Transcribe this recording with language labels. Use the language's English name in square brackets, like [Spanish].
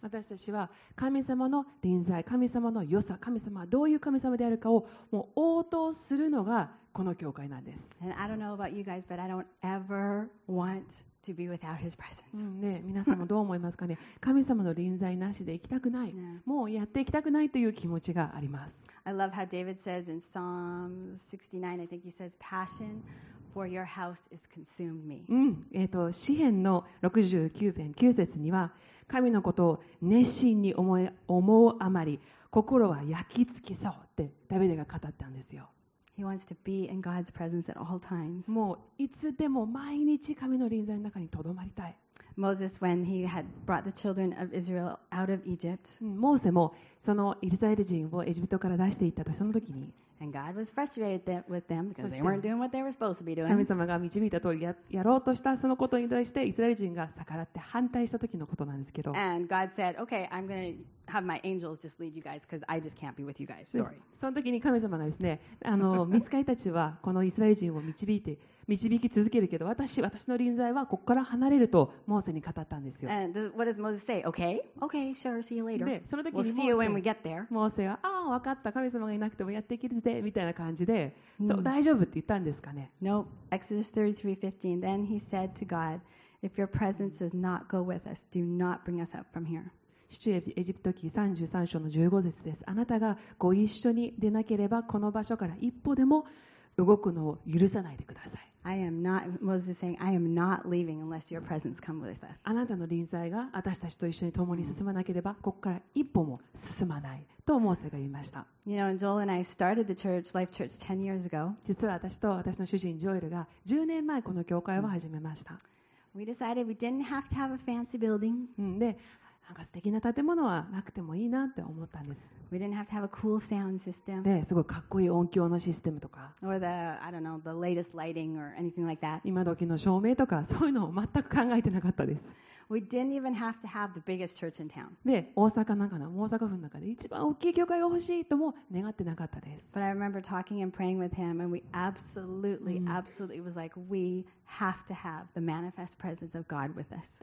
[Japanese] 私たちは神様の臨在、神様の良さ、神様はどういう神様であるかをもう応答するのがこの教会なんです。 [English] And I don't know about you guys, but I don't ever want to be without His presence. [Japanese] ね、皆さんもどう思いますかね。神様の臨在なしで行きたくない。もうやって行きたくないという気持ちがあります。 [English] I love how David says in Psalm 69, I think he says, "Passion for your house is consumed me." [Japanese] 詩編の69編9節には、神のことを熱心に思うあまり、心は焼き付きそうってダビデが語ったんですよ。 [English] He wants to be in God's presence at all times. [Japanese] もういつでも毎日神の臨在の中にとどまりたい。 [English] Moses, when he had brought the children of Israel out of Egypt, [Japanese] モーセもそのイスラエル人をエジプトから出していったとその時に、 [English] and God was frustrated with them because they weren't doing what they were supposed to be doing. [Japanese] 神様が導いた通り やろうとしたそのことに対してイスラエル人が逆らって反対した時のことなんですけど、 [English] and God said, "Okay, I'm going to have my angels just lead you guys because I just can't be with you guys. Sorry." [Japanese] その時に神様がですね、御使いたちはこのイスラエル人を導き続けるけど、私の臨在はここから離れるとモーセに語ったんですよ。 [English] And what does Moses say? Okay, sure, see you later. [Japanese] で、その時に [English] we'll see you when we get there. [Japanese] モーセは、ああ、わかった、神様がいなくてもやっていけるぜみたいな感じで、そう、大丈夫って言ったんですかね。 [English] Nope. Exodus 33:15. Then he said to God, "If your presence does not go with us, do not bring us up from here." [Japanese] 出エジプト記33章の15節です。あなたがご一緒に出なければ、この場所から一歩でも動くのを許さないでください。 [English] I am not, Moses is saying, I am not leaving unless your presence comes with us. [Japanese] あなたの臨在が私たちと一緒に共に進まなければ、ここから一歩も進まないとモーセが言いました。 [English] You know, Joel and I started the church, Life Church, 10 years ago. [Japanese] 実は私と私の主人ジョエルが10年前この教会を始めました。 [English] We decided we didn't have to have a fancy building. [Japanese] で、なんか素敵な建物はなくてもいいなって思ったんです。 [English] We didn't have to have a cool sound system. [Japanese] で、すごいかっこいい音響のシステムとか。 [English] Or the, I don't know, the latest lighting or anything like that. [Japanese] 今時の照明とか、そういうのを全く考えてなかったです。 [English] We didn't even have to have the biggest church in town. [Japanese] で、大阪の中の、大阪府の中で一番大きい教会が欲しいとも願ってなかったです。 [English] But I remember talking and praying with him, and we absolutely, absolutely was like, we have to have the manifest presence of God with us.